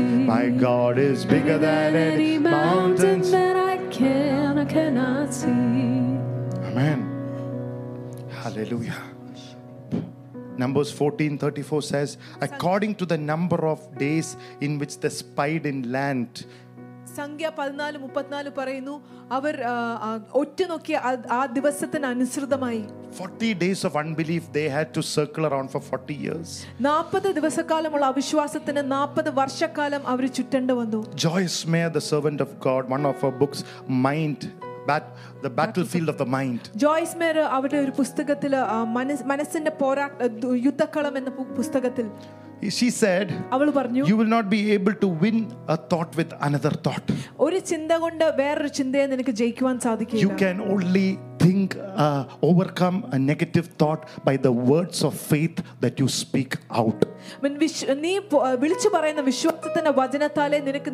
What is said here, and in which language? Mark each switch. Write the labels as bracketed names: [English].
[English] My God is bigger than any mountain that I can or cannot see. Amen. Hallelujah. Numbers 14:34 says, according to the number of days in which the spied in land. [Malayalam] സംഖ്യാ 14:34 പറയുന്നു അവർ ഒറ്റനോക്കിയ ആ ദിവസത്തിന് അനുസൃതമായി [English] 40 days of unbelief they had to circle around for 40 years [Malayalam] 40 ദിവസക്കാലമുള്ള അവിശ്വാസത്തിന് 40 വർഷക്കാലം അവർ ചുറ്റേണ്ട വന്നു [English] Joyce Meyer the servant of God one of her books mind the battlefield of the mind [Malayalam] Joyce Meyer അവരുടെ ഒരു പുസ്തകത്തിൽ മനസ്സിന്റെ യുദ്ധക്കളം എന്ന പുസ്തകത്തിൽ [English] She said, you will not be able to win a thought with another thought. [Malayalam] ഒരു ചിന്ത കൊണ്ട് വേറൊരു ചിന്തയെ നിനക്ക് ജയിക്കുവാൻ സാധിക്കില്ല. [English] You can only think overcome a negative thought by the words of faith that you speak out. [Malayalam] നീ വിളിച്ചു പറയുന്ന വിശ്വാസത്തിന്റെ വചനത്താലേ നിനക്ക്